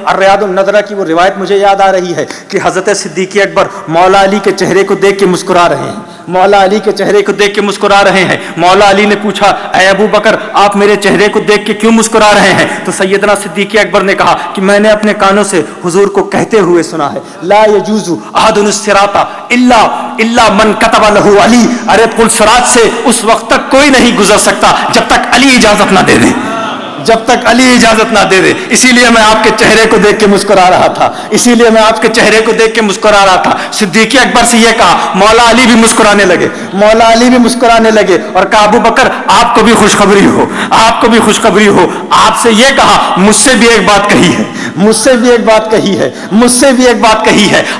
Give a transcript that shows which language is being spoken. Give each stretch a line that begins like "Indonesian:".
Urdu: الریاض النضرہ کی وہ روایت مجھے یاد آ رہی ہے کہ حضرت صدیق اکبر مولا علی کے چہرے کو دیکھ کے مسکرا رہے ہیں, مولا علی کے چہرے کو دیکھ کے مسکرا رہے ہیں. مولا علی نے پوچھا اے ابو بکر آپ میرے چہرے کو دیکھ کے کیوں مسکرا رہے ہیں؟ تو سیدنا صدیق اکبر نے کہا کہ میں نے اپنے کانوں سے حضور کو کہتے ہوئے سنا ہے
Arabic: لا یجوز احد الصراط الا من كتب له علی.
Urdu: ارے پل صراط سے اس وقت تک کوئی نہیں گزر سکتا جب تک علی اجازت نہ دے دے, جب تک علی اجازت نہ دے دے. اسی لیے میں آپ کے چہرے کو دیکھ کے مسکرا رہا تھا, اسی لیے میں آپ کے چہرے کو دیکھ کے مسکرا رہا تھا. صدیق اکبر سے یہ کہا, مولا علی بھی مسکرانے لگے, مولا علی بھی مسکرانے لگے. اور کہا ابو بکر آپ کو بھی خوشخبری ہو, آپ کو بھی خوشخبری ہو. آپ سے یہ کہا, مجھ سے بھی ایک بات کہی ہے, مجھ سے بھی ایک بات کہی ہے, مجھ سے بھی ایک بات کہی ہے.